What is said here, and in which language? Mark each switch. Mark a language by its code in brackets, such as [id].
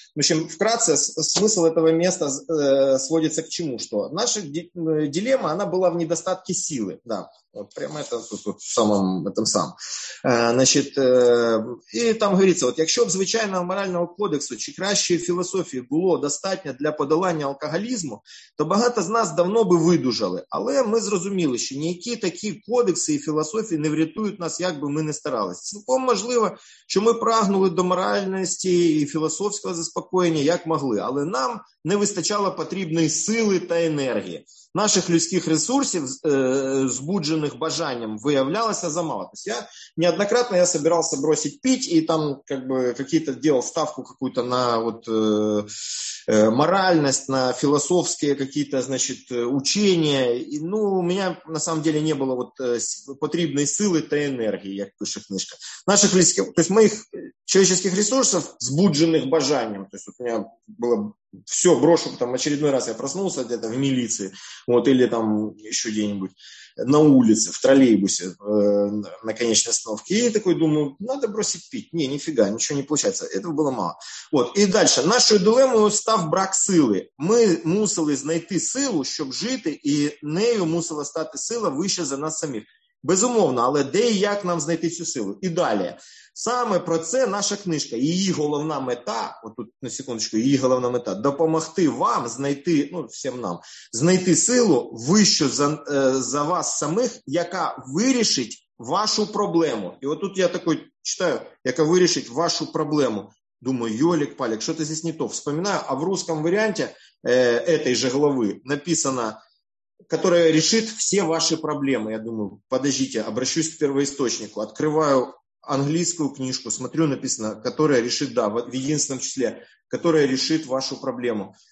[ru] В общем, вкратце, смысл этого места сводится к чему? Что наша дилемма, она была в недостатке силы, да, вот прямо это тут в самом, этом самом. Значит, и там говорится, вот, [uk] якщо б звичайного морального кодексу чи кращої філософії було достатньо для подолання алкоголізму, то багато з нас давно би видужали. Але ми зрозуміли, що ніякі такі кодекси і філософії не врятують нас, як би ми не старалися. Цілком можливо, що ми прагнули до моральності і філософського заспокоєння, як могли. Але нам не вистачало потрібної сили та енергії. Наших людських ресурсів, збуджених бажанням, виявлялося замало. Тобто я [ru] неоднократно я [uk] збирався [ru] бросить пить і там как бы какие-то делал ставку какую-то на вот моральность, [uk] на філософські [ru] какие-то, значит, учения. [uk] І, ну, у мене [ru] на самом деле [uk] не було вот потрібної сили та енергії, як пише книжка. Наших людських, [ru] то есть [uk] моїх [ru] человеческих ресурсов, [uk] збуджених бажанням, [ru] то есть вот [uk] у мене було [ru] все, брошу, там, очередной раз я проснулся где-то в милиции, вот, или там еще где-нибудь на улице, в троллейбусе на конечной остановке. И такой думаю, надо бросить пить. Не, нифига, ничего не получается. Этого было мало. Вот, и дальше. [uk] Нашу дилемму став брак силы. Мы мусили знайти силу, щоб жити, і нею мусила стати сила вище за нас самих. Безумовно, але де і як нам знайти цю силу? І далі. Саме про це наша книжка. Її головна мета, отут на секундочку, її головна мета – допомогти вам знайти, ну, всім нам, знайти силу вищу за вас самих, яка вирішить вашу проблему. І отут я такий читаю, яка вирішить вашу проблему. Думаю, Йолик-палік, що це [ru] здесь не то? Вспоминаю, а [uk] в русскому варіанті [ru] этой же главы написано которая решит все ваши проблемы. Я думаю, подождите, обращусь к первоисточнику, открываю английскую книжку, смотрю, написано, которая решит, да, в единственном числе, которая решит вашу проблему.